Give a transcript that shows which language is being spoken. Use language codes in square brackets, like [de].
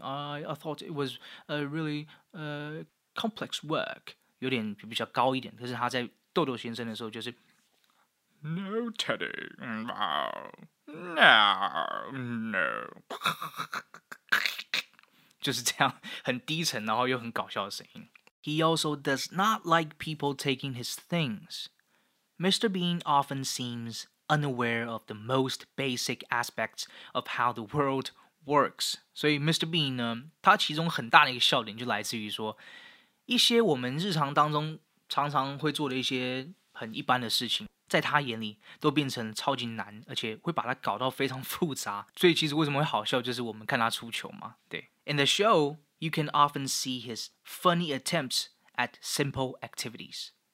[en] I thought it was a really complex work. [zh] 有点比较高一点，可是他在豆豆先生的时候就是 [en] No, Teddy. No. No. No. [zh] 就是这样，很低沉，然后又很搞笑的声音。 [en] He also does not like people taking his things. Mr. Bean often seems unaware of the most basic aspects of how the world works. [zh] 所以 Mr. Bean 呢，他其中很大的一个笑点就来自于说，一些我们日常当中常常会做的一些很一般的事情，在他眼里都变成超级难，而且会把它搞到非常复杂。所以其实为什么会好笑，就是我们看他出糗嘛。对。 [en] In the show, you can often see his funny attempts at simple activities.